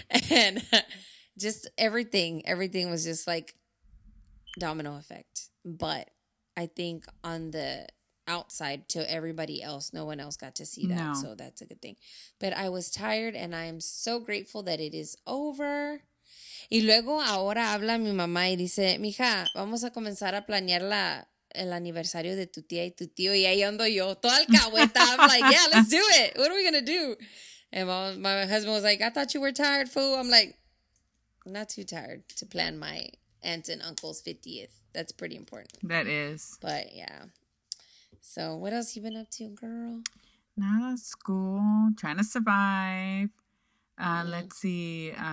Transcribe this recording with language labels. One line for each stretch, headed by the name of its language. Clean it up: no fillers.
English: And just everything was just like domino effect. But I think on the outside to everybody else, no one else got to see that. No. So that's a good thing. But I was tired and I am so grateful that it is over.
Spanish: Y luego ahora habla mi mamá y dice, mija, vamos a comenzar a planear la... el aniversario de tu tía y tu tío y ahí ando yo toda alcahueta.
English: I'm like, yeah, let's do it. What are we gonna do? And my husband was like, I thought you were tired, fool. I'm like, I'm not too tired to plan my aunt and uncle's 50th. That's pretty important. That is. But yeah. So what else you been up to, girl? Not at school. Trying to survive. Let's see.